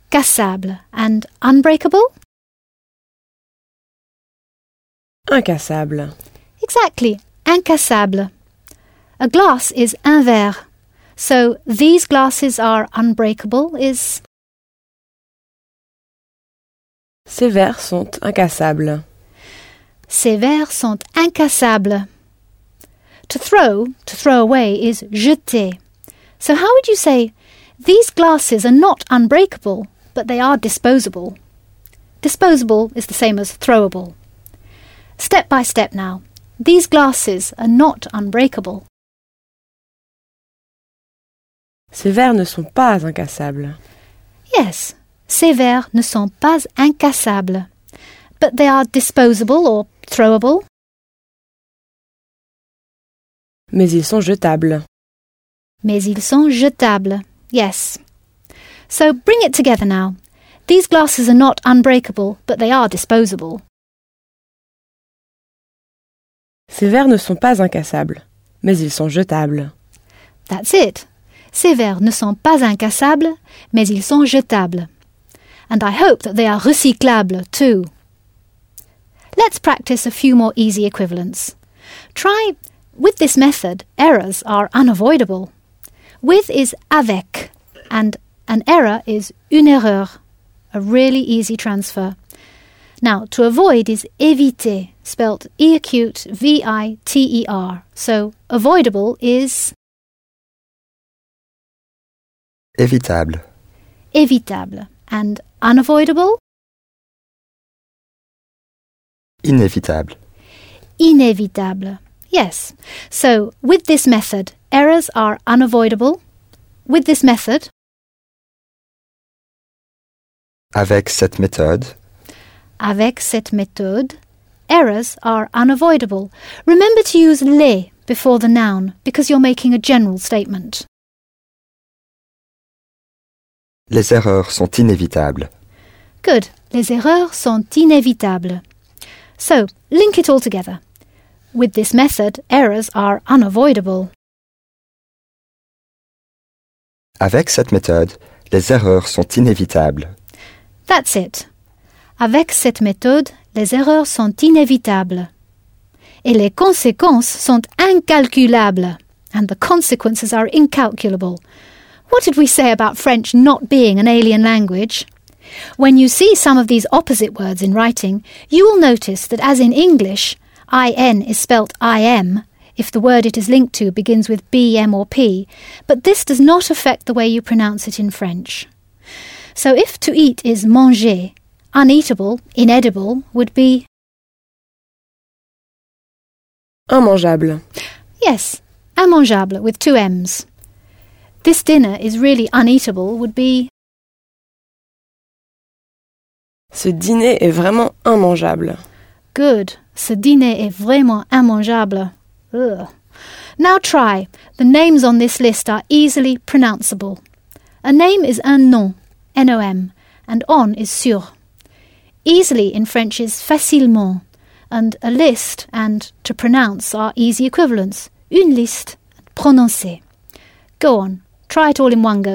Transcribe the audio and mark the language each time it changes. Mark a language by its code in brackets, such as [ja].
[en] Cassable. And unbreakable? [fr] Incassable. [en] Exactly, incassable. A glass is [fr] un verre. [en] So these glasses are unbreakable is [fr] ces verres sont incassables. Ces verres sont incassables. [en] To throw away is [fr] jeter. [en] So how would you say these glasses are not unbreakable, but they are disposable? Disposable is the same as throwable. Step by step now. These glasses are not unbreakable. [fr] Ces verres ne sont pas incassables. [en] Yes, [fr] ces verres ne sont pas incassables. [en] But they are disposable or throwable. [fr] Mais ils sont jetables. Mais ils sont jetables. [en] Yes. So bring it together now. These glasses are not unbreakable, but they are disposable. [fr] Ces verres ne sont pas incassables, mais ils sont jetables. [en] That's it. [fr] Ces verres ne sont pas incassables, mais ils sont jetables. [en] And I hope that they are recyclables too. Let's practice a few more easy equivalents. Try with this method, errors are unavoidable. With is [fr] avec, [en] and an error is [fr] une erreur, [en] a really easy transfer. Now, to avoid is [fr] éviter, [en] spelt E-acute-V-I-T-E-R. So, avoidable is [fr] évitable. Évitable. [en] And unavoidable? [fr] Inévitable. Inévitable. [en] Yes. So, with this method, errors are unavoidable. With this method. [fr] Avec cette méthode. Avec cette méthode, [en] errors are unavoidable. Remember to use les before the noun because you're making a general statement. [fr] Les erreurs sont inévitables. [en] Good. [fr] Les erreurs sont inévitables. [en] So, link it all together. With this method, errors are unavoidable. [fr] Avec cette méthode, les erreurs sont inévitables. [en] That's it. [fr] Avec cette méthode, les erreurs sont inévitables. Et les conséquences sont incalculables. [en] And the consequences are incalculable. What did we say about French not being an alien language? When you see some of these opposite words in writing, you will notice that as in English, IN is spelt IM if the word it is linked to begins with B, M or P, but this does not affect the way you pronounce it in French. So if to eat is [fr] manger, [en] uneatable, inedible, would be [fr] immangeable. [en] Yes, [fr] immangeable [en] with two M's. This dinner is really uneatable would be [fr] ce dîner est vraiment immangeable. [en] Good. [fr] Ce dîner est vraiment immangeable. [en] Ugh. Now try. The names on this list are easily pronounceable. A name is [fr] un nom, [en] N-O-M, and on is [fr] sur. [en] Easily in French is [fr] facilement, [en] and a list and to pronounce are easy equivalents. [fr] Une liste, prononcer. [en] Go on. Try it all in one go.